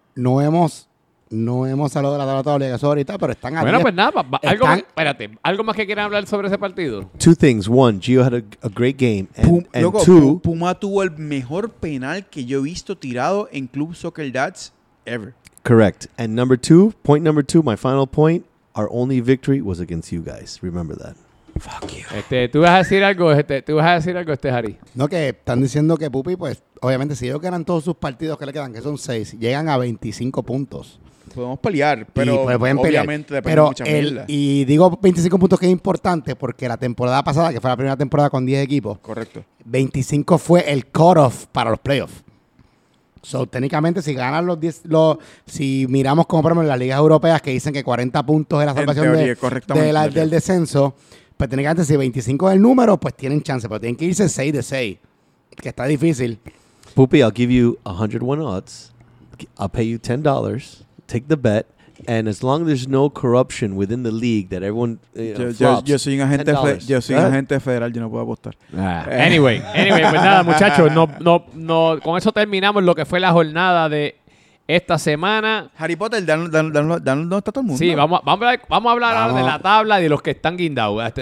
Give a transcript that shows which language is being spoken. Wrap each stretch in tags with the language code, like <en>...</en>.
<es>No hemos hablado de la tabla todavía, eso ahorita, pero están ahí. Bueno, pues nada. Espérate. ¿Algo más que quieran hablar sobre ese partido?</es> <en>Two things. One, Gio had a great game. And two.</en> <es>Puma tuvo el mejor penal que yo he visto tirado en Club Soccer Dads</es> <en>ever. Correct. And number two, point number two, my final point, our only victory was against you guys. Remember that. Fuck you.</en> <es>Tú vas a decir algo, Harry. No, que están diciendo que Pupi, pues, obviamente, si ellos ganan todos sus partidos que le quedan, que son 6, llegan a 25 puntos. Podemos pelear, pero pues obviamente pelear. Depende pero de mucha mierda. Y digo 25 puntos que es importante porque la temporada pasada, que fue la primera temporada con 10 equipos, correcto, 25 fue el cutoff para los playoffs. So, técnicamente, si ganan los 10, si miramos como, por ejemplo, las ligas europeas que dicen que 40 puntos es la salvación del descenso, pues técnicamente, si 25 es el número, pues tienen chance, pero tienen que irse 6 de 6, que está difícil.</es> <en>Pupi, I'll give you 101 odds. I'll pay you $10. Take the bet. And as long as there's no corruption within the league that everyone</en> <es>flops, yo soy un agente federal, yo no puedo apostar. Anyway, pues nada, muchachos, no, con eso terminamos lo que fue la jornada de esta semana. Harry Potter, dan ¿dónde está todo el mundo? Sí, vamos a hablar de la tabla de los que están guindados.</es>